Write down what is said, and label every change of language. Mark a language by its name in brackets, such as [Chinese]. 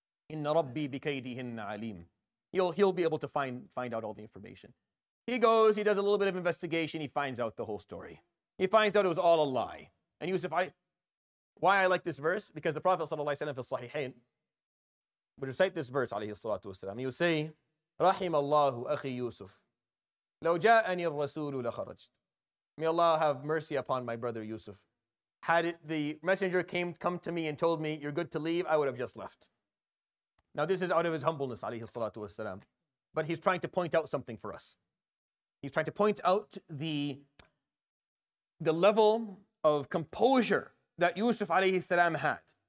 [Arabic] إِنَّ رَبِّي بِكَيْدِهِنَّ عَلِيمٌ. [English] He'll be able to find out all the information. He goes, he does a little bit of investigation, he finds out the whole story. He finds out it was all a lie. And Yusuf, why I like this verse? Because the Prophet ﷺ fil Sahihain would recite this verse, alayhi salatu wasalam. He would say, [Arabic] رَحِمَ اللَّهُ أَخِي يُوسُفُ لَوْ جَاءَنِي الرَّسُولُ لَخَرَجْتُ. [English] May Allah have mercy upon my brother Yusuf. Had the messenger come to me and told me, you're good to leave, I would have just left. Now this is out of his humbleness, alayhi salatu wasalam. But he's trying to point out something for us. He's trying to point out the level of composure that Yusuf alayhi salam had.